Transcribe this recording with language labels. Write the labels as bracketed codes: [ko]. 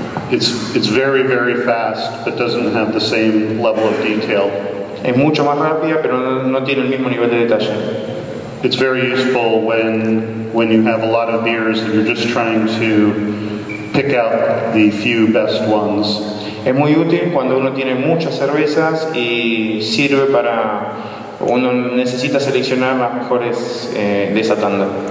[en] It's very, very fast, but doesn't have the same level of detail. [es] Es mucho más rápida, pero no tiene el mismo nivel de detalle. [en] It's very useful when you have a lot of beers and you're just trying to pick out the few best ones. [es] Es muy útil cuando uno tiene muchas cervezas y sirve para uno necesita seleccionar las mejores de esa tanda.